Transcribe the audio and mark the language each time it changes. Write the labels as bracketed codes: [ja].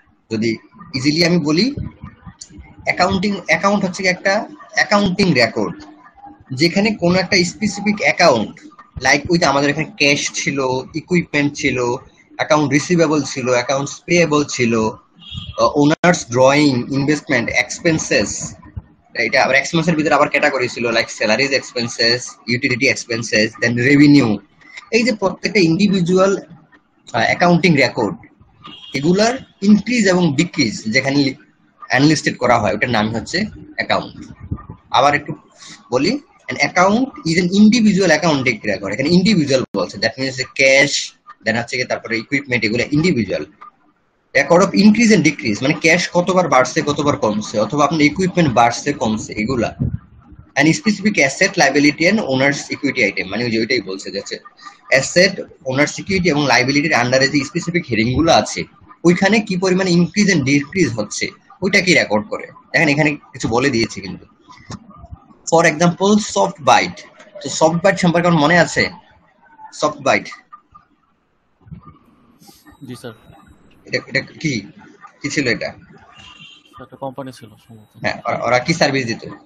[bn] যদি ইজিলি আমি বলি, অ্যাকাউন্টিং অ্যাকাউন্ট হচ্ছে একটা অ্যাকাউন্টিং রেকর্ড যেখানে কোনো একটা স্পেসিফিক অ্যাকাউন্ট, লাইক উইথ আমাদের এখানে ক্যাশ ছিল, ইকুইপমেন্ট ছিল, অ্যাকাউন্ট রিসিভেবল ছিল, অ্যাকাউন্ট পেয়েবল ছিল, ওনার্স ড্রয়িং, ইনভেস্টমেন্ট, এক্সপেন্সেস, এটা আবার এক্সপেন্সের ভিতরে আবার ক্যাটাগরি ছিল like salaries expenses, utility expenses, দেন রেভিনিউ। এই যে প্রত্যেকটা ইন্ডিভিজুয়াল অ্যাকাউন্টিং রেকর্ড এগুলার ইনক্রিজ এবং ডিক্রিজ যেখানে অ্যানালিস্টেড করা হয় ওটার নাম হচ্ছে অ্যাকাউন্ট। আবার একটু বলি, [en] an account is an individual accounting record, [bn] এখানে individual বলছে, [en] that means the cash, [bn] then হচ্ছে তারপরে equipment, এগুলো [en] individual record of increase and decrease, [bn] মানে cash কতবার বাড়ছে কতবার কমছে অথবা আপনি equipment বাড়ছে কমছে এগুলা, [en] and specific asset liability and owner's equity item, [bn] মানে যে ওইটাই বলছে যে আছে asset owner's security এবং liability under যে specific heading গুলো আছে ওইখানে কি পরিমাণে increase and decrease হচ্ছে ওইটা কি রেকর্ড করে। দেখেন এখানে কিছু বলে দিয়েছে কিন্তু, ফর এক্সাম্পল সফট বাইট, তো সফট বাইট সম্পর্কে আমার মনে আছে, সফট বাইট জি স্যার, এটা এটা কি কি ছিল, এটা একটা কোম্পানি ছিল সম্ভবত। হ্যাঁ, ওরা কি সার্ভিস দিত?